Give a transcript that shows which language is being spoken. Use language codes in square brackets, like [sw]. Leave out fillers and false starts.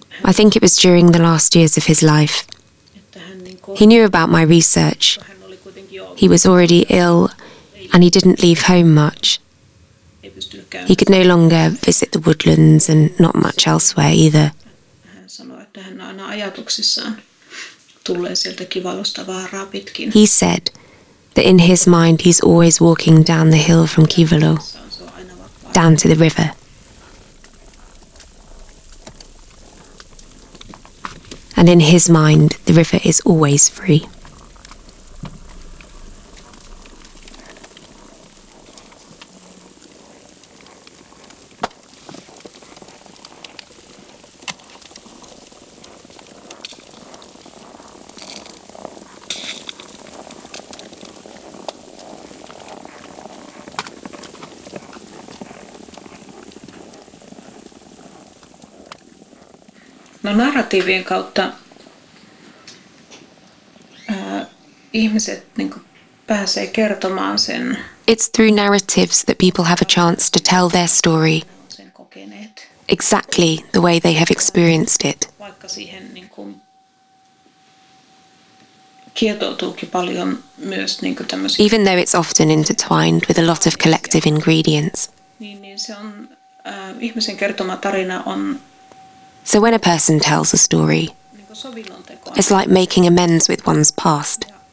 [en] I think it was during the last years of his life. He knew about my research. He was already ill and he didn't leave home much. He could no longer visit the woodlands and not much elsewhere either. [fi] Hän sanoi, että hän aina ajatuksissaan tulee sieltä kivalosta vaaraa pitkin. [en] He said that in his mind he's always walking down the hill from Kivalo, down to the river. And in his mind, the river is always free. [fi] No narratiivien kautta ihmiset niin kuin pääsee kertomaan sen. [en] It's through narratives that people have a chance to tell their story. [fi] Sen kokeneet. [en] Exactly the way they have experienced it. [fi] Vaikka siihen niin kuin kietoutuukin paljon myös niin kuin tämmöisiä. [en] Even though it's often intertwined with a lot of collective ingredients. [fi] Niin se on ihmisen kertoma tarina on. [en] So when a person tells a story, it's like making amends with one's past.